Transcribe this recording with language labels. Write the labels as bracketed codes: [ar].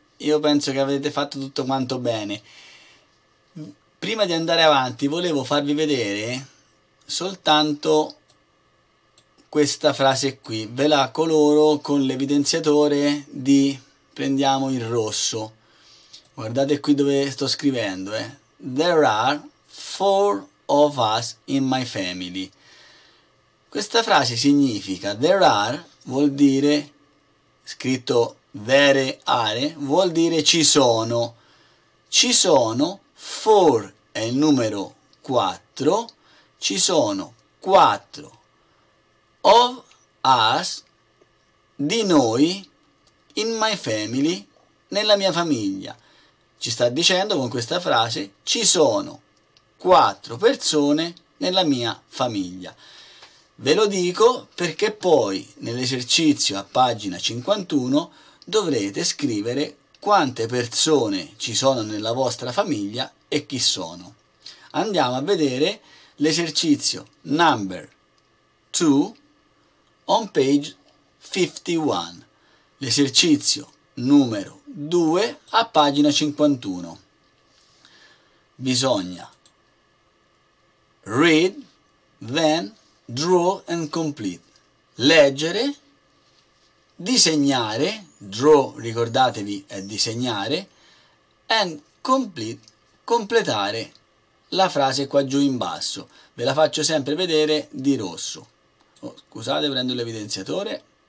[it] Io penso che avete fatto tutto quanto bene. Prima di andare avanti, volevo farvi vedere soltanto questa frase qui. Ve la coloro con l'evidenziatore di, prendiamo il rosso. Guardate qui dove sto scrivendo, [en] There are four of us in my family. [it] Questa frase significa there are, vuol dire, scritto there are, vuol dire ci sono. Ci sono, four è il numero 4, ci sono 4 [en] of us, [it] di noi, [en] in my family, [it] nella mia famiglia. Ci sta dicendo con questa frase ci sono 4 persone nella mia famiglia. Ve lo dico perché poi nell'esercizio a pagina 51 dovrete scrivere quante persone ci sono nella vostra famiglia e chi sono. Andiamo a vedere l'esercizio [en] number 2 on page 51. [it] L'esercizio numero 2 a pagina 51. Bisogna [en] read, then draw and complete. [it] Leggere, disegnare, draw, ricordatevi, è disegnare, [en] and complete, [it] completare la frase qua giù in basso. Ve la faccio sempre vedere di rosso. Oh, scusate, prendo l'evidenziatore.